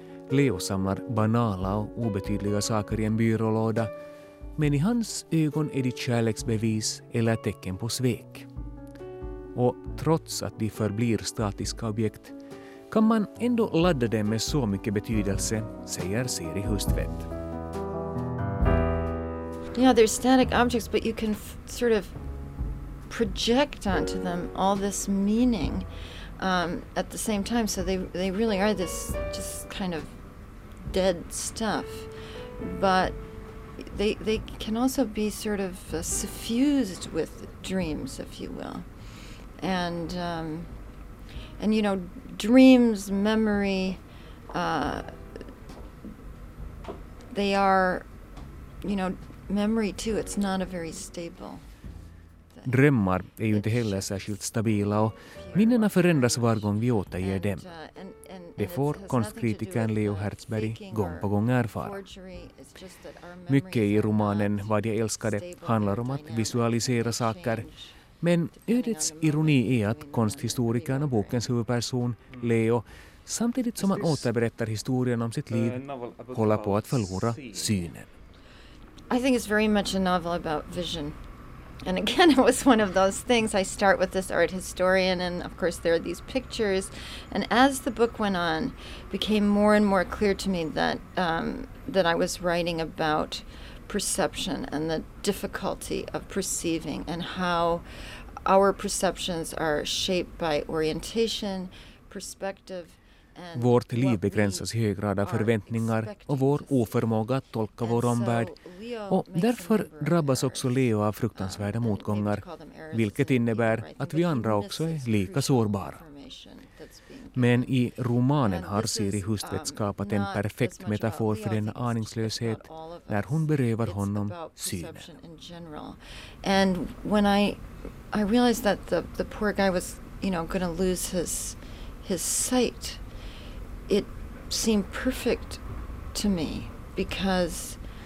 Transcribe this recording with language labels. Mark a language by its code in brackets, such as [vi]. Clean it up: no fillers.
[sv] Leo samlar banala och obetydliga saker i en byrålåda, men i hans ögon är det kärleksbevis eller tecken på svek. Och trots att de förblir statiska objekt kan man ändå ladda dem med så mycket betydelse, säger Siri Hustvedt. [en] Thank you. Yeah, they're static objects, but you can sort of project onto them all this meaning at the same time. So they really are this just kind of dead stuff. But they can also be sort of suffused with dreams, if you will. And you know, dreams, memory, they are, you know, memory too, it's not a very stable thing. [sv] Drömmar är ju inte heller särskilt stabila och minnena förändras var gång vi återger dem. Det får konstkritikern Leo Herzberg gång på gång erfara. Mycket i romanen Vad jag älskade handlar om att visualisera saker. Men ödets ironi är att konsthistorikern och bokens huvudperson, Leo, samtidigt som han återberättar historien om sitt liv, håller på att förlora synen. [en] I think it's very much a novel about vision. And again, it was one of those things. I start with this art historian, and of course there are these pictures. And as the book went on, it became more and more clear to me that that I was writing about perception and the difficulty of perceiving and how our perceptions are shaped by orientation, perspective. [sv] Vårt liv begränsas i hög grad av förväntningar och vår oförmåga att tolka vår omvärld. Och därför drabbas också Leo av fruktansvärda motgångar, vilket innebär att vi andra också är lika sårbara. Men i romanen har Siri Hustvedt skapat en perfekt metafor för denna aningslöshet när hon berövar honom synen. [en] And when I realized that the poor guy was, you know, going to lose his sight, it seemed perfect to me because